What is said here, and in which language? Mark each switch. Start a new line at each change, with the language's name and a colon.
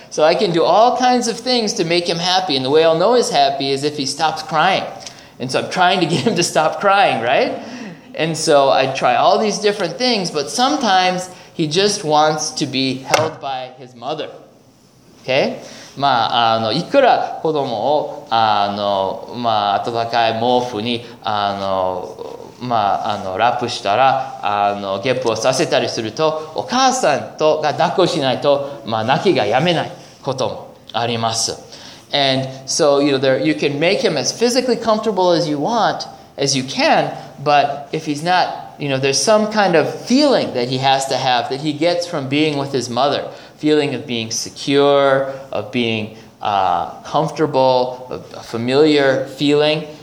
English: So I can do all kinds of things to make him happy. And the way I'll know he's happy is if he stops crying. And so I'm trying to get him to stop crying, right? And so I try all these different things, but sometimes he just wants to be held by his mother. Okay?
Japanese: まあ、あの、いくら子供を、あの、まあ、暖かい毛布に、あの、まあ、あの、ラップしたら、あの、ゲップをさせたりすると、お母さんとが抱っこしないと、まあ、泣きがやめないこともあります。
English: And so, you know, there, you can make him as physically comfortable as you want, as you can, but if he's not, you know, there's some kind of feeling that he has to have that he gets from being with his mother. Feeling of being secure, of being comfortable, a familiar feeling.